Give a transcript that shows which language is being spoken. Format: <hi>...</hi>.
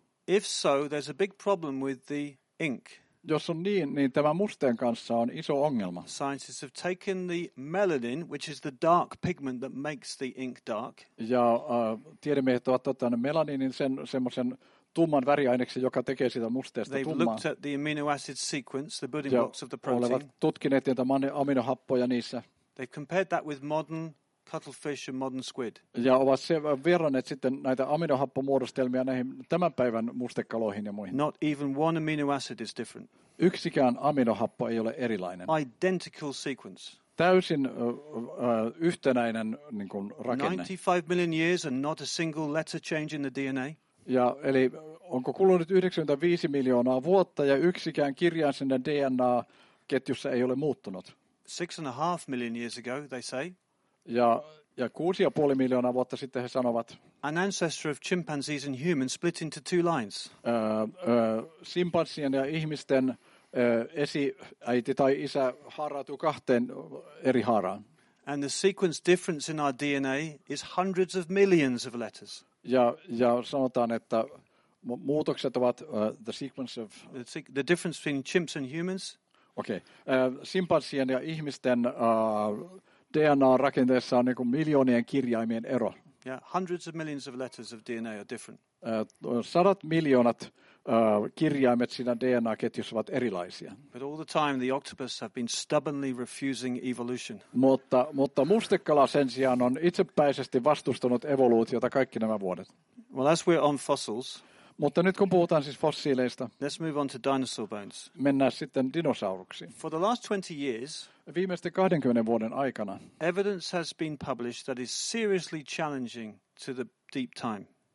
<en>If so, there's a big problem with the ink.</en> <fi>Jos on niin, niin tämä musteen kanssa on iso ongelma.</fi> <en>Scientists have taken the melanin, which is the dark pigment that makes the ink dark.</en> <fi>Ja tiedemiehet ovat ottaneet melaninin sen semmoisen tumman väriaineksen, joka tekee siitä musteesta tummaa.</fi> <en>They've looked at the amino acid sequence, the building blocks of the protein.</en> <fi>Ja olevat tutkineet niitä aminohappoja niissä.</fi> <en>They've compared that with modern cuttlefish and modern squid.</en> <fi>Ja ovat verranneet sitten näitä aminohappomuodostelmia näihin tämän päivän mustekaloihin ja muihin.</fi> <en>Not even one amino acid is different.</en> <fi>Yksikään aminohappo ei ole erilainen.</fi> <en>Identical sequence.</en> <fi>Täysin yhtenäinen niin kuin rakenne.</fi> <en>95 million years and not a single letter change in the DNA.</en> <fi>Ja eli onko kulunut 95 miljoonaa vuotta ja yksikään kirjain sinne DNA-ketjussa ei ole muuttunut.</fi> <en>6.5 million years ago, they say.</en> <fi>Ja 6.5 miljoonaa vuotta sitten he sanovat.</fi> <en>An ancestor of chimpanzees and humans split into two lines.</en> <fi>Simpanssien ja ihmisten esiäiti tai isä haarautuu kahteen eri haaraan.</fi> <en>And the sequence difference in our DNA is hundreds of millions of letters.</en> <fi>Ja sanotaan, että muutokset ovat</fi> <en>the sequence of the difference between chimps and humans.</en> <fi>Okei. Simpanssien ja ihmisten DNA-rakenteessa on niinku miljoonien kirjaimien ero.</fi> <en>Yeah, hundreds of millions of letters of DNA are different.</en> <fi>Sadat miljoonat kirjaimet siinä DNA-ketjussa ovat erilaisia.</fi> <en>But all the time the octopus have been stubbornly refusing evolution.</en> <fi>Mutta mustekala sen sijaan on itsepäisesti vastustanut evoluutiota kaikki nämä vuodet.</fi> <en>Well, as we're on fossils.</en> <fi>Mutta nyt kun puhutaan siis fossiileista.</fi> <en>Let's move on to dinosaur bones.</en> <fi>Mennään sitten dinosauruksiin.</fi> <en>For the last 20 years.</en> <fi>Viimeisten 20 vuoden aikana.</fi> <en>Evidence has been published that is seriously challenging to the deep time.</en>